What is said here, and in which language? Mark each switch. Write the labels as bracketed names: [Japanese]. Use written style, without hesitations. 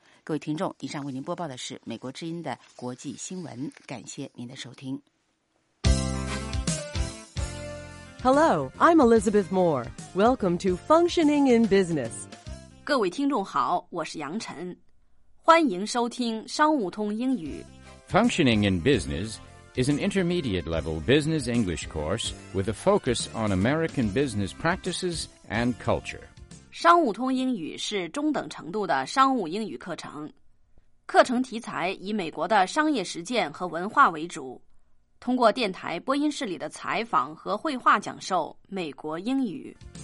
[Chinese] 各位听众，以上为您播报的是美国之音的国际新闻，感谢您的收听。 [English] Hello, I'm Elizabeth Moore. Welcome to Functioning in Business. [Chinese] 各位听众好，我是杨晨，欢迎收听商务通英语。 [English] Functioning in Business is an intermediate level business English course with a focus on American business practices and culture. [Chinese] 商务通英语是中等程度的商务英语课程，课程题材以美国的商业实践和文化为主，通过电台播音室里的采访和绘画讲授美国英语。